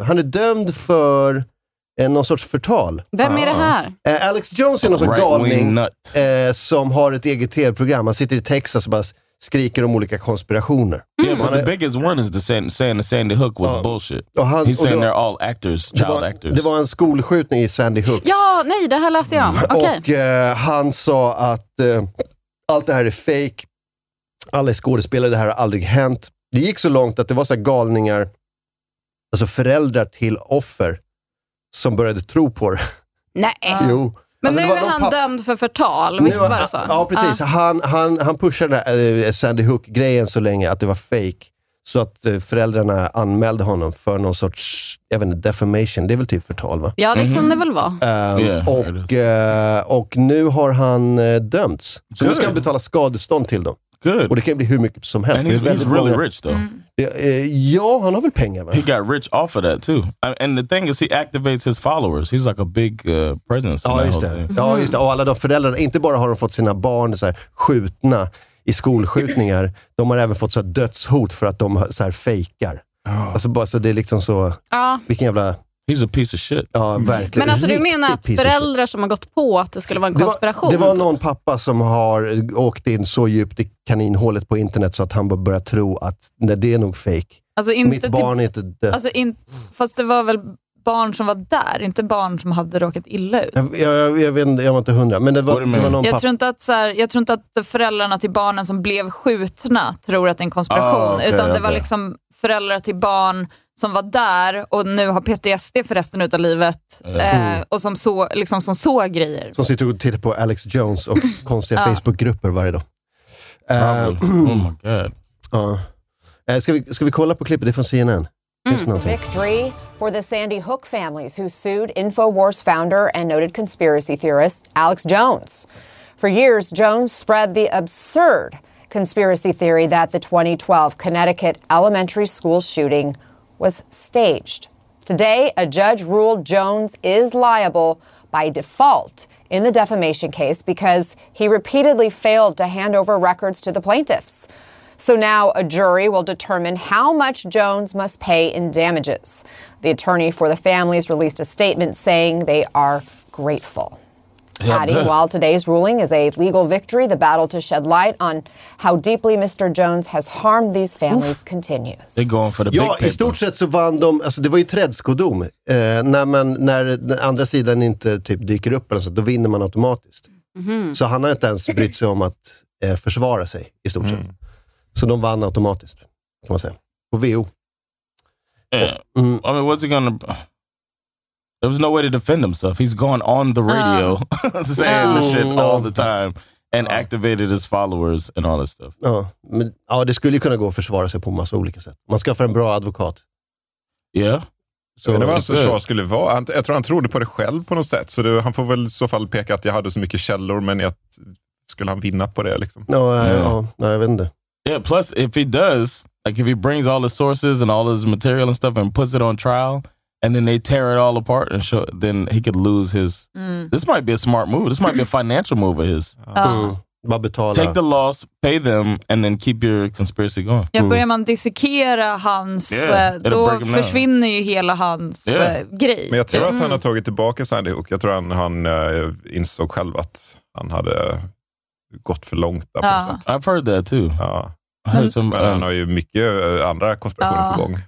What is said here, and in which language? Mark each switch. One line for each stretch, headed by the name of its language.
Swedish: Han är dömd för någon sorts förtal. Vem är det här? Alex Jones är någon sorts galning som har ett eget TV-program. Han sitter i Texas och bara skriker om olika konspirationer.
English: Yeah, but the biggest one is the saying the Sandy Hook was bullshit. Han, he's saying they're all actors, child actors.
Swedish: Det var en skolskjutning i Sandy Hook. Ja, nej, det här läste jag om.
English: Okay.
Swedish: Och han sa att allt det här är fake. Alla skådespelare, det här har aldrig hänt. Det gick så långt att det var så här galningar, alltså föräldrar till offer, som började tro på det. Nej. Jo. Men alltså, nu är han dömd för förtal, visst var det så? Ja, precis. Han pushade Sandy Hook-grejen så länge att det var fake. Så att föräldrarna anmälde honom för någon sorts, jag vet inte, defamation. Det är väl typ förtal, va? Ja, det kan det väl vara. Och nu har han dömts. Så nu ska han betala skadestånd till dem.
English: Good.
Swedish: Och det kan bli hur mycket som helst.
English: And he's really rich though.
Swedish: Ja, han har väl pengar, va?
English: He got rich off of that too. And the thing is he activates his followers. He's like a big presence.
Swedish: Ja, just det. Ja, just det. Och alla de föräldrarna, inte bara har de fått sina barn så här, skjutna i skolskjutningar. De har även fått så här, dödshot för att de så här, fejkar. Oh. Alltså bara så det är liksom så. Vilken jävla...
English: He's a piece of shit.
Swedish: Ja, verkligen. Men alltså du menar att föräldrar som har gått på att det skulle vara en konspiration? Det var någon pappa som har åkt in så djupt i kaninhålet på internet så att han började tro att nej, det är nog fake. Alltså inte mitt barn är inte död. Alltså fast det var väl barn som var där, inte barn som hade råkat illa ut. Jag var inte hundra, men det var någon pappa. Jag tror inte att föräldrarna till barnen som blev skjutna tror att det är en konspiration. Ah, okay, utan det var liksom föräldrar till barn som var där och nu har PTSD för resten av livet. Och som så liksom som så grejer. Som sitter och tittar på Alex Jones och konstiga Facebookgrupper varje dag.
English: Oh my god.
Swedish: Ska vi kolla på klippet, det är från CNN.
English: Victory for the Sandy Hook families who sued InfoWars founder and noted conspiracy theorist Alex Jones. For years Jones spread the absurd conspiracy theory that the 2012 Connecticut elementary school shooting was staged. Today, a judge ruled Jones is liable by default in the defamation case because he repeatedly failed to hand over records to the plaintiffs. So now a jury will determine how much Jones must pay in damages. The attorney for the families released a statement saying they are grateful. Yeah, adding, while today's ruling is a legal victory, the battle to shed light on how deeply Mr. Jones has harmed these families continues. They're going for the
Swedish: ja,
English: big paper.
Swedish: I stort sett så vann de, alltså det var ju trädskodom. När den andra sidan inte typ dyker upp, alltså, då vinner man automatiskt. Mm-hmm. Så han har inte ens brytt sig om att försvara sig, i stort sett. Så de vann automatiskt, kan man säga. På VO.
English: Yeah. I mean, what's it gonna... There was no way to defend himself. He's gone on the radio saying the shit all the time and activated his followers and all that stuff.
Swedish: Ja, det skulle ju kunna gå att försvara sig på massa olika sätt. Man skaffar en bra advokat. Ja.
English: Yeah.
Swedish: Det var alltså så skulle vara. Jag tror han trodde på det själv på något sätt. Så det, han får väl i så fall peka att jag hade så mycket källor, men jag, skulle han vinna på det liksom? No, ja, jag vet inte.
English: Yeah, plus if he does, like if he brings all his sources and all his material and stuff and puts it on trial... And then they tear it all apart and show, then he could lose his... This might be a smart move. This might be a financial move of his. Take the loss, pay them, and then keep your conspiracy going.
Swedish: Ja, börjar man dissekera hans, då försvinner ju hela hans grej. Men jag tror att han har tagit tillbaka Sandy Hook. Jag tror att han insåg själv att han hade gått för långt. Där på
English: I've heard that too.
Swedish: Ja. Men han har ju mycket andra konspirationer på gång.